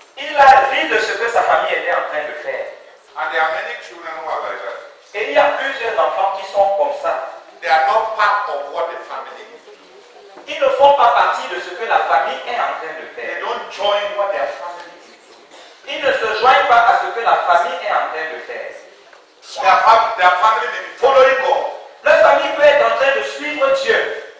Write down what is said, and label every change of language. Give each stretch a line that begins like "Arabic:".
French: Il a ri de ce que sa famille était en train de faire.
English: And there are many children who are like that.
French: Et il y a plusieurs enfants qui sont comme ça.
English: They are not part of what the family is.
French: Ils ne font pas partie de ce que la famille est en train de faire.
English: They don't join what their family is.
French: Ils ne se joignent pas à ce que la famille est en train de faire.
English: Their family may be following God.
French: Leur famille peut être en train de suivre Dieu.